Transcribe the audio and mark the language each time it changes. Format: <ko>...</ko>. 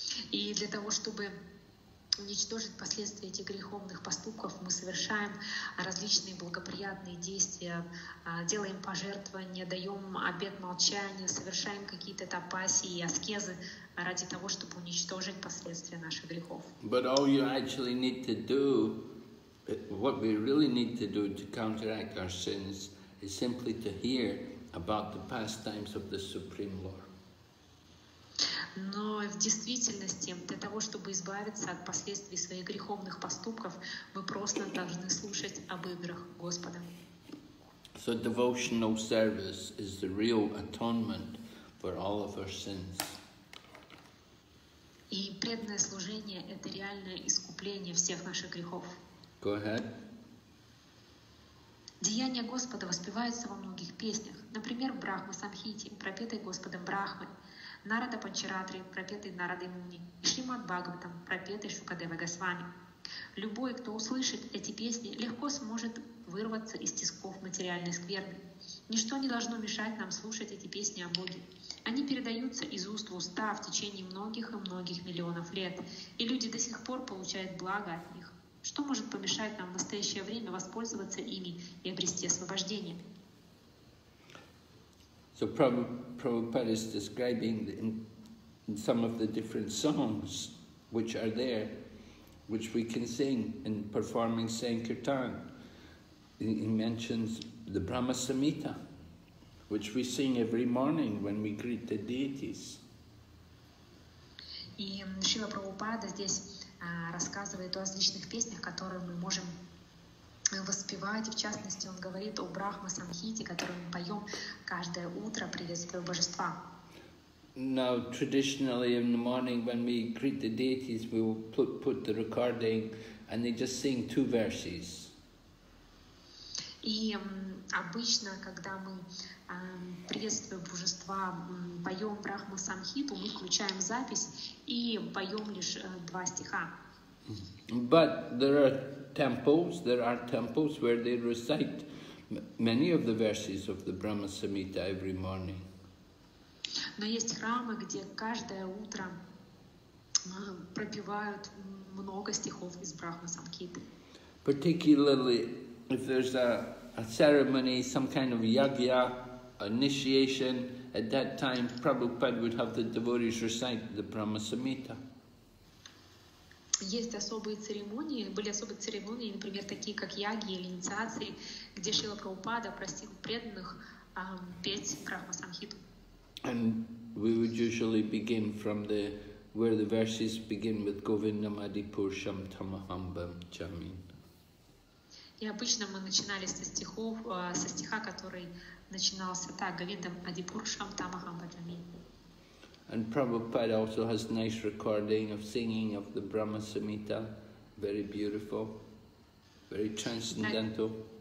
<ru>И для того, чтобы уничтожить последствия этих греховных поступков, мы совершаем различные благоприятные действия, делаем пожертвования, даем обет молчания, совершаем какие-то тапаси и аскезы ради того, чтобы уничтожить последствия наших грехов.</ru> <en>But all you actually need to do, what we really need to do to counteract our sins, is simply to hear about the pastimes of the Supreme Lord.</en> <ru>Но в действительности, для того, чтобы избавиться от последствий своих греховных поступков, мы просто должны слушать об играх Господа.</ru> <en>So devotional service is the real atonement for all of our sins.</en> <ru>И преданное служение — это реальное искупление всех наших грехов.</ru> <en>Go ahead.</en> <ru>Деяния Господа воспеваются во многих песнях. Например, Брахма Самхите, пропетой Господом Брахмой, Нарада Панчаратри, пропетый Нарадой Муни, и Шримад Бхагаватам, пропетый Шукадева Госвами. Любой, кто услышит эти песни, легко сможет вырваться из тисков материальной скверны. Ничто не должно мешать нам слушать эти песни о Боге. Они передаются из уст в уста в течение многих и многих миллионов лет, и люди до сих пор получают благо от них. Что может помешать нам в настоящее время воспользоваться ими и обрести освобождение?</ru> <en>So Prabhupada is describing in some of the different songs which are there, which we can sing in performing Sankirtan. He mentions the Brahma Samhita, which we sing every morning when we greet the deities.</en> <ru>И Шрила Прабхупада здесь рассказывает о различных песнях, которые мы можем воспевать. В частности, он говорит о Брахма Самхите, который мы поем каждое утро, приветствуя божества.</ru> <en>Now, traditionally in the morning when we greet the deities, we will put the recording and they just sing two verses.</en> <ru>И обычно, когда мы приветствуем божества, поем Брахма Самхиту, мы включаем запись и поем лишь два стиха.</ru> <en>But there are temples where they recite many of the verses of the Brahma Samhita every morning.</en> <ru>Но есть храмы, где каждое утро пропевают много стихов из Брахма Самхиты.</ru> <en>Particularly if there's a ceremony, some kind of yagya, initiation, at that time Prabhupada would have the devotees recite the Brahma Samhita.</en> <ru>Есть особые церемонии, были особые церемонии, например, такие как яги или инициации, где Шрила Прабхупада просил преданных петь Брахма Самхиту.</ru> <en>And we would usually begin from the where the verses begin with</en> <sa>Govindam Adipursham Tamaham Bam Chamin.</sa> <ru>И обычно мы начинали со стиха, который начинался так,</ru> <sa>Говиндам Адипуршам Тамахам Баджамин.</sa> <en>And Prabhupada also has nice recording of singing of the Brahma Samhita, very beautiful, very transcendental.</en>